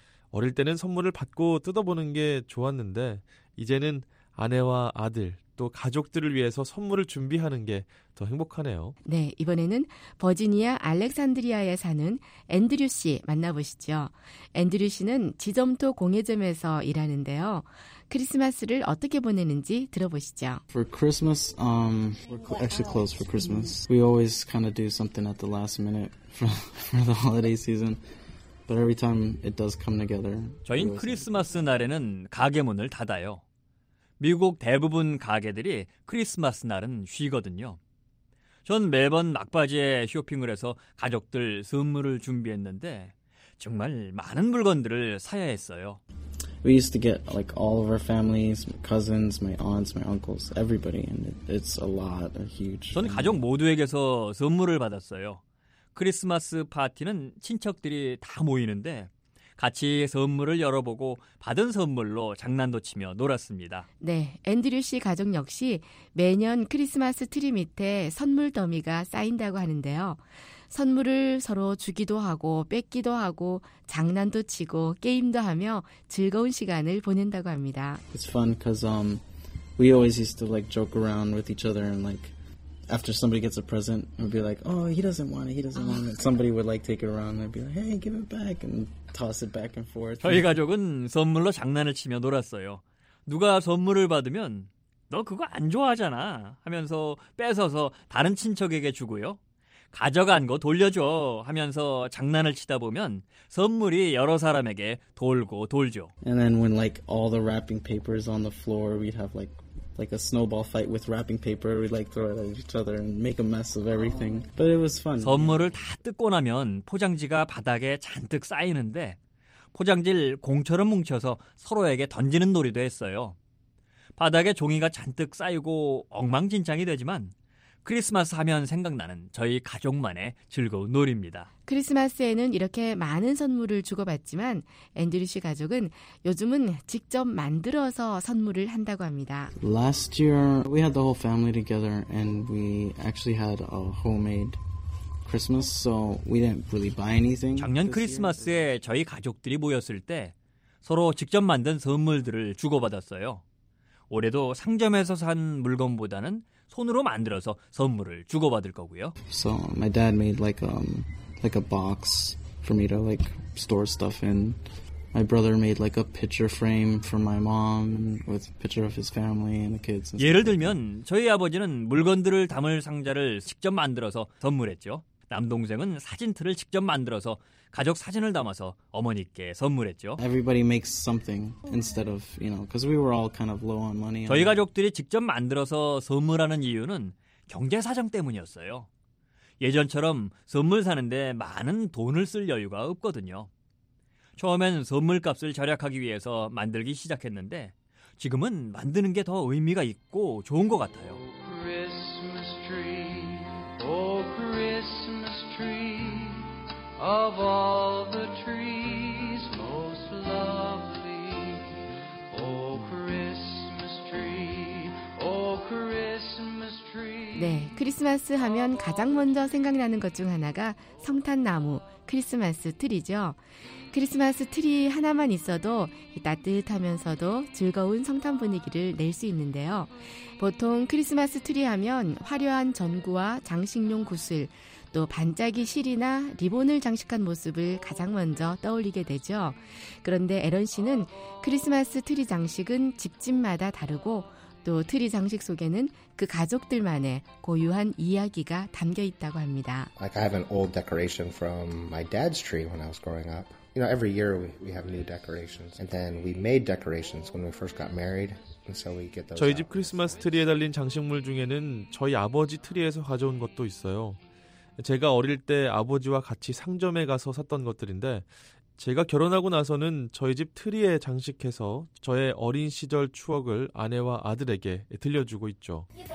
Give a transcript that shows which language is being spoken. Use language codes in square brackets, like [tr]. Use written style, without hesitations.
[ko] 어릴 때는 선물을 받고 뜯어보는 게 좋았는데 이제는 아내와 아들, 또 가족들을 위해서 선물을 준비하는 게 더 행복하네요. 네, 이번에는 버지니아 알렉산드리아에 사는 앤드류 씨 만나보시죠. 앤드류 씨는 지점토 공예점에서 일하는데요. 크리스마스를 어떻게 보내는지 들어보시죠. [en] For Christmas, we're actually closed for Christmas. We always kind of do something at the last minute for the holiday season. But every time it does come together. [ko] 저희는 크리스마스 날에는 가게 문을 닫아요. 미국 대부분 가게들이 크리스마스 날은 쉬거든요. 전 매번 막바지에 쇼핑을 해서 가족들 선물을 준비했는데 정말 많은 물건들을 사야 했어요. [en] We used to get like all of our families, my cousins, my aunts, my uncles, everybody, and it's a lot, a huge. [ko] 저는 가족 모두에게서 선물을 받았어요. 크리스마스 파티는 친척들이 다 모이는데 같이 선물을 열어보고 받은 선물로 장난도 치며 놀았습니다. 네, 앤드류 씨 가족 역시 매년 크리스마스 트리 밑에 선물 더미가 쌓인다고 하는데요. 선물을 서로 주기도 하고 뺏기도 하고 장난도 치고 게임도 하며 즐거운 시간을 보낸다고 합니다. [en] It's fun because we always used to like joke around with each other and like after somebody gets a present, we'd be like, oh, he doesn't want it, he doesn't want it. Somebody would like take it around and be like, hey, give it back and toss it back and forth. [ko] 저희 가족은 선물로 장난을 치며 놀았어요. 누가 선물을 받으면 너 그거 안 좋아하잖아 하면서 뺏어서 다른 친척에게 주고요. 가져간 거 돌려줘 하면서 장난을 치다 보면 선물이 여러 사람에게 돌고 돌죠. [en] And then when like all the wrapping paper is on the floor, we'd have like a snowball fight with wrapping paper. We'd like throw it at each other and make a mess of everything. But it was fun. [ko] 선물을 다 뜯고 나면 포장지가 바닥에 잔뜩 쌓이는데 포장지를 공처럼 뭉쳐서 서로에게 던지는 놀이도 했어요. 바닥에 종이가 잔뜩 쌓이고 엉망진창이 되지만 크리스마스 하면 생각나는 저희 가족만의 즐거운 놀이입니다. 크리스마스에는 이렇게 많은 선물을 주고받지만 앤드류 씨 가족은 요즘은 직접 만들어서 선물을 한다고 합니다. [en] Last year we had the whole family together and we actually had a homemade Christmas, so we didn't really buy anything. [ko] 작년 크리스마스에 저희 가족들이 모였을 때 서로 직접 만든 선물들을 주고받았어요. 올해도 상점에서 산 물건보다는 손으로 만들어서 선물을 주고받을 거고요. [en] So my dad made like a box for me to like store stuff in. My brother made like a picture frame for my mom with a picture of his family and the kids. [ko] 예를 들면 저희 아버지는 물건들을 담을 상자를 직접 만들어서 선물했죠. 남동생은 사진틀을 직접 만들어서 가족 사진을 담아서 어머니께 선물했죠. [en] Everybody makes something instead of, you know, because we were all kind of low on money. [ko] 저희 가족들이 직접 만들어서 선물하는 이유는 경제 사정 때문이었어요. 예전처럼 선물 사는데 많은 돈을 쓸 여유가 없거든요. 처음엔 선물 값을 절약하기 위해서 만들기 시작했는데 지금은 만드는 게 더 의미가 있고 좋은 것 같아요. [en] Christmas tree. Oh, Christmas tree, of all the trees most lovely. Oh, Christmas tree, oh, Christmas tree. [ko] 네, 크리스마스 하면 가장 먼저 생각나는 것 중 하나가 성탄나무, 크리스마스 트리죠. 크리스마스 트리 하나만 있어도 따뜻하면서도 즐거운 성탄 분위기를 낼 수 있는데요. 보통 크리스마스 트리 하면 화려한 전구와 장식용 구슬, 또 반짝이 실이나 리본을 장식한 모습을 가장 먼저 떠올리게 되죠. 그런데 에런 씨는 크리스마스 트리 장식은 집집마다 다르고 또 트리 장식 속에는 그 가족들만의 고유한 이야기가 담겨 있다고 합니다. [en] Like I have an old decoration from my dad's tree when I was growing up. You know, every year we have new decorations. And then we made decorations when we first got married. And so we get those. [ko] 저희 집 크리스마스 트리에 달린 장식물 중에는 저희 아버지 트리에서 가져온 것도 있어요. 제가 어릴 때 아버지와 같이 상점에 가서 샀던 것들인데 제가 결혼하고 나서는 저희 집 트리에 장식해서 저의 어린 시절 추억을 아내와 아들에게 들려주고 있죠.